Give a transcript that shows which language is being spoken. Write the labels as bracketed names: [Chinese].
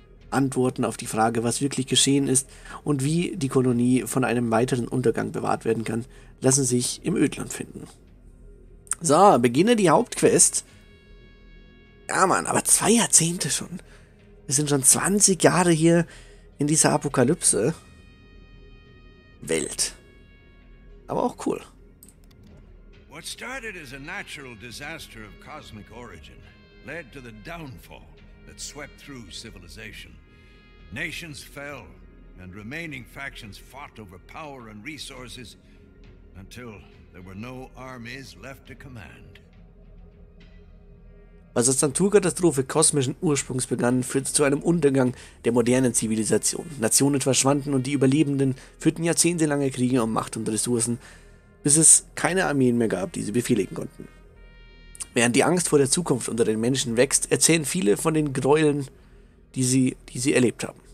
[German] Antworten auf die Frage, was wirklich geschehen ist und wie die Kolonie von einem weiteren Untergang bewahrt werden kann, lassen sich im Ödland finden. So, beginne die Hauptquest. Ja, Mann, aber 2 Jahrzehnte schon. Wir sind schon 20 Jahre hier in dieser Apokalypse-Welt. Aber auch cool. [English] What started as a natural disaster of cosmic origin led to the downfall that swept through civilization. Nations fell and remaining factions fought over power and resources until there were no armies left to command. [German] Was als Naturkatastrophe kosmischen Ursprungs begann, führte zu einem Untergang der modernen Zivilisation. Nationen verschwanden und die Überlebenden führten jahrzehntelange Kriege um Macht und Ressourcen, bis es keine Armeen mehr gab, die sie befehligen konnten. Während die Angst vor der Zukunft unter den Menschen wächst, erzählen viele von den Gräueln, die sie erlebt haben.